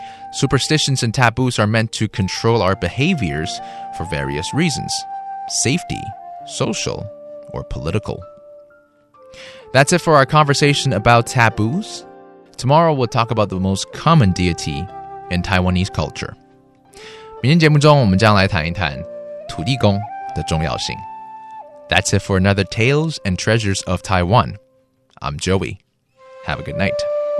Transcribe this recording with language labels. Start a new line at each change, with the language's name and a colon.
English: Superstitions and taboos are meant to control our behaviors for various reasons: safety, social, or political. That's it for our conversation about taboos. Tomorrow, we'll talk about the most common deity in Taiwanese culture.
Chinese: 明天节目中，我们将来谈一谈土地公的重要性。
English: That's it for another Tales and Treasures of Taiwan. I'm Joey. Have a good night.